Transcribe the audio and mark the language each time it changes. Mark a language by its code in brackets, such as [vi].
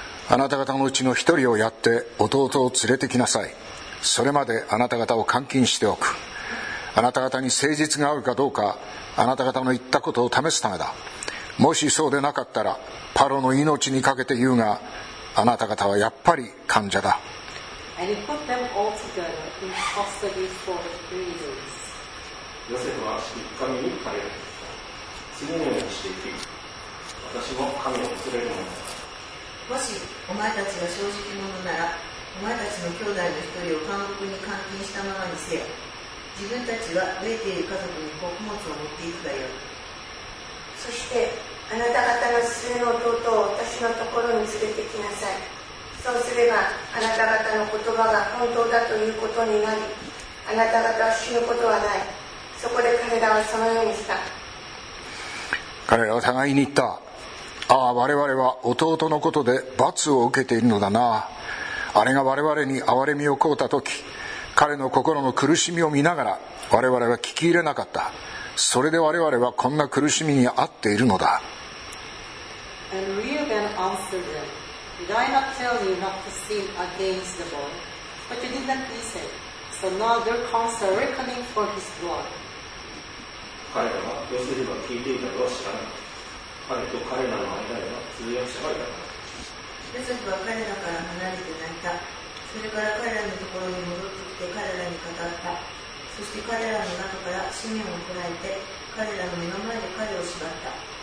[ja] あなた方のうちの一人をやって弟を連れてきなさい。それまであなた方を監禁しておく。あなた方に誠実があるかどうか、あなた方の言ったことを試すためだ。もしそうでなかったらパロの命にかけて言うが、あなた方はやっぱり患者だ。 [en] And he put them all together in custody for three days. [ja] ヨセフは3日目に彼らに言った。次のようにしていき、私も神を恐れるものだ。もしお前たちが正直者なら、お前たちの兄弟の一人を監獄に監禁したままにせよ。自分たちは飢えている家族に穀物を持っていくがよい。そしてあなた方の末の弟を私のところに連れてきなさい。そうすればあなた方の言葉が本当だということになり、あなた方は死ぬことはない。そこで彼らはそのようにした。彼らは互いに言った。ああ、我々は弟のことで罰を受けているのだな。あれが我々に憐れみを請うたとき、彼の心の苦しみを見ながら我々は聞き入れなかった。それで我々はこんな苦しみに遭っているのだ。 [en] And Reuben answered them, Did I not tell you not to sin against the boy? But you did not listen. So now their conscience are reckoning for his blood. [ja] 彼らはヨセフが聞いていたとは知らなかった。彼と彼らの間には通訳者がいたから。ヨセフは彼らから離れて泣いた。それから彼らのところに戻ってきて彼らに語った。そそして彼らの中からシメオンを捕らえて、彼らの目の前で彼を縛った。